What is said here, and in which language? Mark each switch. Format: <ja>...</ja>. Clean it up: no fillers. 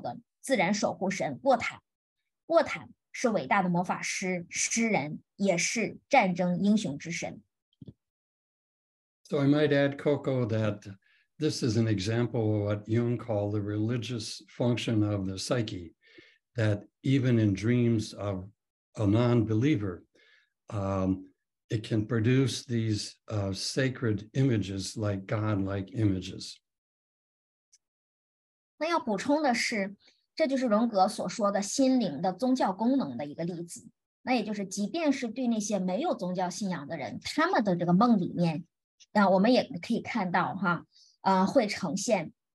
<zh>那这一个女神秘主义者呢，她写了一些狂喜的诗歌或者是寓言故事，讲述了她对上帝的爱。那这个扩充，用来访者个人的这样的一种体验，和我们文学作品当中的这样的一个面向，这样的一个故事，这样一个类似的主题去进行扩充，都是和对神一样的这个人物的一种渴望。接下来，荣格就提到了北欧神话当中的这个异教的自然守护神沃坦。</zh> <en>So I might add, Coco, that this is an example of what Jung called the religious function of the psyche, that even in dreams of a non-believer, it can produce these sacred images, like God-like images.</en> <zh>那要补充的是, 这就是荣格所说的心灵的宗教功能的一个例子，那也就是即便是对那些没有宗教信仰的人，他们的这个梦里面，那我们也可以看到，会呈现</zh>